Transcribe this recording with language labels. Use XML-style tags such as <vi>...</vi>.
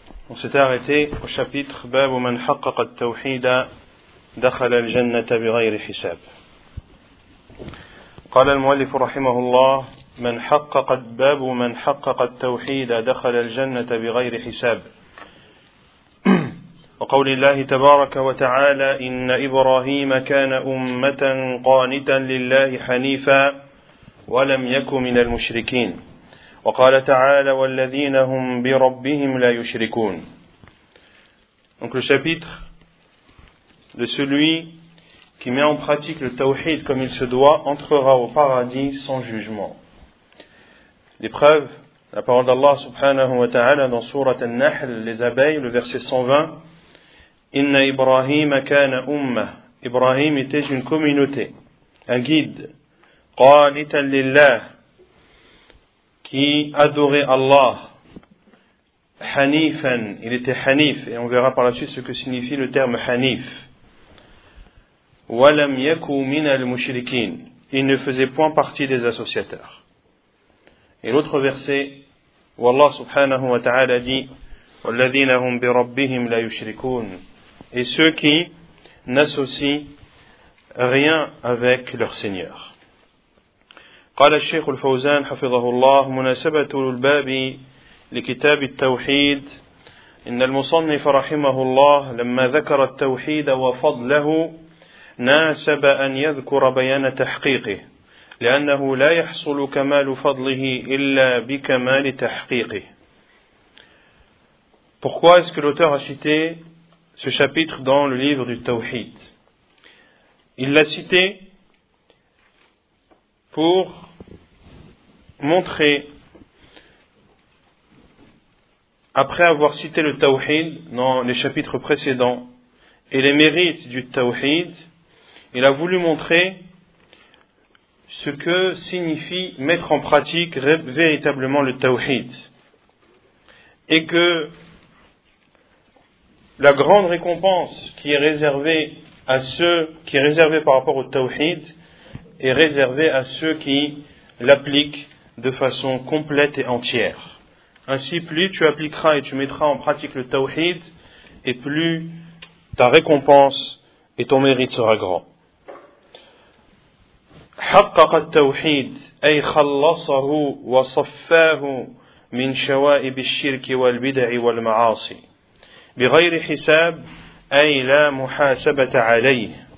<fr>On s'est arrêté au chapitre</fr> <ar>Bab man haqqaqa at-tawhid dakhala al-jannata bighayri hisab. قال المؤلف رحمه الله من حقق باب من حقق التوحيد دخل الجنة بغير حساب. وقول الله تبارك وتعالى إن إبراهيم كان أمة قانتا لله حنيفا ولم يك من المشركين. وقال تعالى والذين هم بربهم لا يشركون.</ar> <fr>Donc le chapitre de celui qui met en pratique le tawhid comme il se doit, entrera au paradis sans jugement. L'épreuve, la parole d'Allah subhanahu wa ta'ala dans sourate An-Nahl, les abeilles, le verset 120, «</fr> <ar>Inna Ibrahim kana umma</ar> <fr>» Ibrahim était une communauté, un guide, «</fr> <ar>qanitan lillah</ar> <fr>» qui adorait Allah, « hanifan » il était hanif, et on verra par la suite ce que signifie le terme « hanif ».</fr> <ar>وَلَمْ يَكُوا مِنَ الْمُشْرِكِينَ</ar> <fr>Il ne faisait point partie des associateurs. Et l'autre verset, où Allah subhanahu wa ta'ala dit,</fr> <ar>وَالَّذِينَ هُمْ بِرَبِّهِمْ لَا يُشْرِكُونَ</ar> <fr>Et ceux qui n'associent rien avec leur Seigneur.</fr> <ar>قال الشيخ الفوزان حفظه الله مناسبة الباب لكتاب التوحيد إن المصنف رحمه الله لما ذكر التوحيد وفضله ناسب أن يذكر بيان تحقيقه لأنه لا يحصل كمال فضله إلا بكمال تحقيقه.</ar> <fr>Pourquoi est-ce que l'auteur a cité ce chapitre dans le livre du Tawhid? Il l'a cité pour montrer, après avoir cité le Tawhid dans les chapitres précédents et les mérites du Tawhid, il a voulu montrer ce que signifie mettre en pratique véritablement le tawhid. Et que la grande récompense qui est réservée à ceux qui est réservée par rapport au tawhid est réservée à ceux qui l'appliquent de façon complète et entière. Ainsi, plus tu appliqueras et tu mettras en pratique le tawhid, et plus ta récompense et ton mérite sera grand.</fr> <ar>حقق التوحيد أي خلصه وصفاه من شوائب الشرك والبدع والمعاصي بغير حساب أي لا محاسبة عليه</ar>